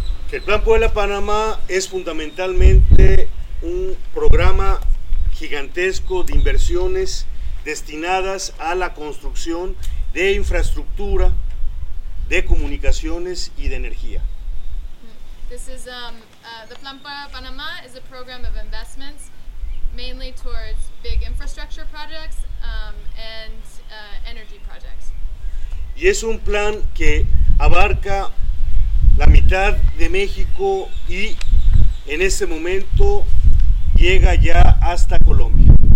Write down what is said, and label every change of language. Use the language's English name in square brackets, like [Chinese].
[Spanish] El Plan Puebla Panamá es fundamentalmente un programa gigantesco de inversiones destinadas a la construcción de infraestructura, de comunicaciones y de energía. [English] This is the Plan Puebla Panamá is a program of investments mainly towards big infrastructure projects and energy projects. [Spanish] Y es un plan que abarca la mitad de México y en ese momento llega ya hasta Colombia.